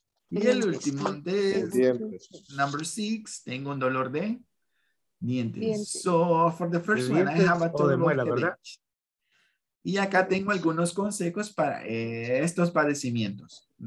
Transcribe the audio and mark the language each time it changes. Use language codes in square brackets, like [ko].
[es] Y el último de [en] number six, [es] tengo un dolor de dientes. [en] So for the first one, I have a toothache. [es] Y acá tengo algunos consejos para estos padecimientos.